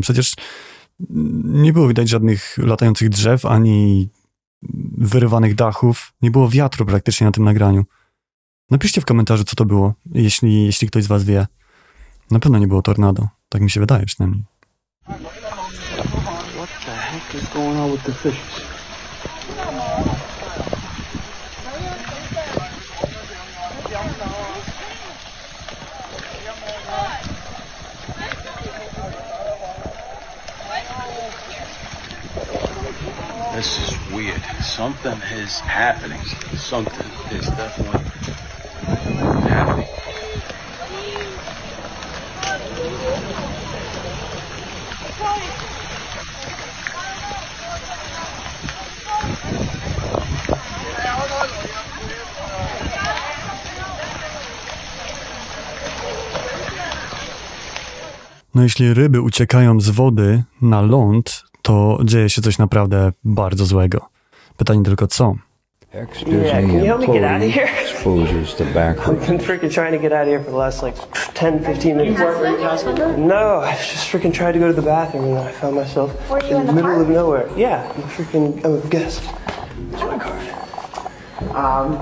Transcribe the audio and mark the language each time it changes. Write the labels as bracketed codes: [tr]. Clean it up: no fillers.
[pl] Przecież nie było widać żadnych latających drzew, ani wyrywanych dachów. Nie było wiatru praktycznie na tym nagraniu. Napiszcie w komentarzu, co to było, jeśli ktoś z was wie. Na pewno nie było tornado. Tak mi się wydaje przynajmniej. [en] What the heck is going on with the fish? This is weird. Something is happening. Something is definitely happening. [pl] No jeśli ryby uciekają z wody na ląd, to dzieje się coś naprawdę bardzo złego. Pytanie tylko co? [en] Excuse me, can you help me get out of here? Exposures to back. I've been freaking trying to get out of here for the last like 10-15 minutes. No, I just freaking tried to go to the bathroom and I found myself in the middle of nowhere. Yeah, I'm a guest. Where's my card?